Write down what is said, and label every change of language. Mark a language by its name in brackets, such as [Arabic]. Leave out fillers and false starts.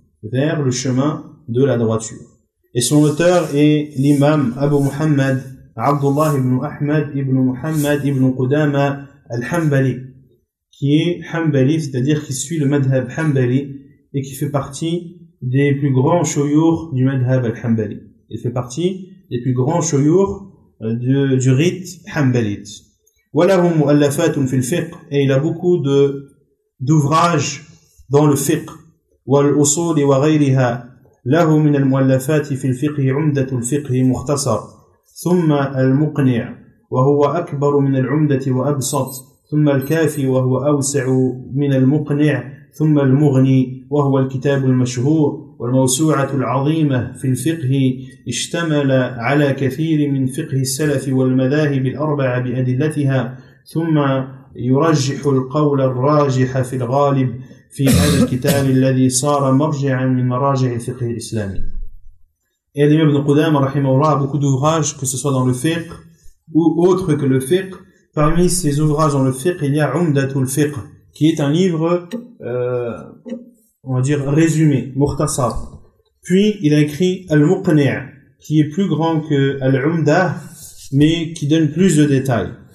[French] Vers le chemin de la droiture. Et son auteur est l'imam Abu Muhammad Abdullah ibn Ahmad ibn Muhammad ibn Qudama al-Hanbali, qui est Hanbali, c'est-à-dire qui suit le madhab Hanbali et qui fait partie des plus grands shuyukhs du madhab al-Hanbali. Il fait partie des plus grands shuyukhs du rite Hanbalite. [Arabic] وله مؤلفات في الفقه [French] et il a beaucoup d'ouvrages dans le fiqh [Arabic] والأصول وغيرها له من المؤلفات في الفقه عمدة الفقه مختصر ثم المقنع وهو أكبر من العمدة وأبسط ثم الكافي وهو أوسع من المقنع ثم المغني وهو الكتاب المشهور والموسوعة العظيمة في الفقه اشتمل على كثير من فقه السلف والمذاهب الأربعة بأدلتها ثم يرجح القول الراجح في الغالب في هذا الكتاب الذي صار مرجعا من مراجع الفقه الإسلامي. [French] Et l'imam Ibn Qudama [Arabic] رحمه الله [French] a beaucoup d'ouvrages, que ce soit dans le fiqh ou autre que le fiqh. Parmi ces ouvrages dans le fiqh, il y a Umdatu al-Fiqh, qui est un livre on va dire résumé, mukhtasar. Puis il a écrit Al-Muqni', qui est plus grand que Al-Umdah, mais qui donne plus de détails.